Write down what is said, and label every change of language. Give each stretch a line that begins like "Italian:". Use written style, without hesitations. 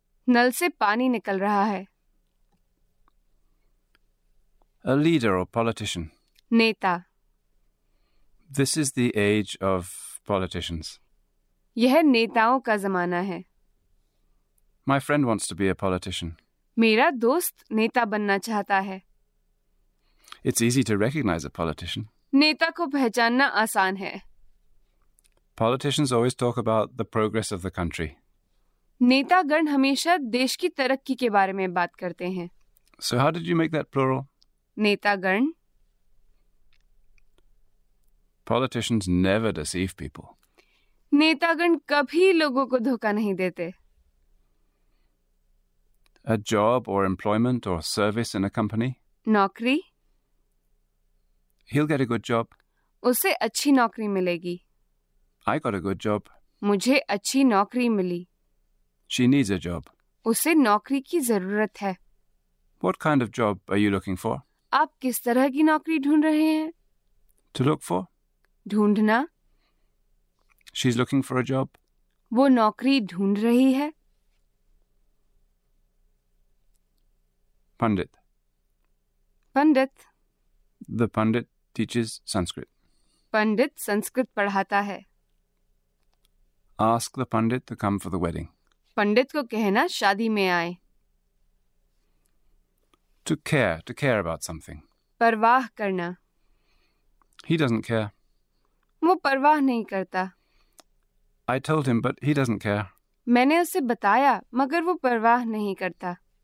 Hindi: नल से पानी निकल रहा है।
English: A leader or politician.
Hindi: नेता।
English: This is the age of politicians.
Hindi: यह नेताओं का जमाना है।
English: My friend wants to be a politician.
Hindi: मेरा दोस्त नेता बनना चाहता है।
English: It's easy to recognize a politician.
Hindi: नेता को पहचानना आसान है।
English: Politicians always talk about the progress of the country.
Hindi: नेतागण हमेशा देश की तरक्की के बारे में बात करते हैं।
English: So how did you make that plural?
Hindi: नेतागण।
English: Politicians never deceive people.
Hindi: नेतागण कभी लोगों को धोखा नहीं देते।
English: A job or employment or service in a company?
Hindi: नौकरी।
English: He'll get a good job.
Hindi: उसे अच्छी नौकरी मिलेगी।
English: I got a good job.
Hindi: मुझे अच्छी नौकरी मिली।
English: She needs a job.
Hindi: उसे नौकरी की जरूरत है।
English: What kind of job are you looking for?
Hindi: आप किस तरह की नौकरी ढूंढ रहे हैं?
English: To look for?
Hindi: ढूंढना।
English: She's looking for a job.
Hindi: वो नौकरी ढूंढ रही है। Pandit. Pandit.
English: The pundit teaches Sanskrit.
Hindi: Pandit Sanskrit पढ़ाता है।
English: Ask the pundit to come for the wedding.
Hindi: पंडित को कहना शादी में आए।
English: To care about something.
Hindi: परवाह करना।
English: He doesn't care.
Hindi: वो परवाह नहीं करता।
English: I told him, but he doesn't care.
Hindi: मैंने उसे बताया, मगर वो परवाह नहीं करता।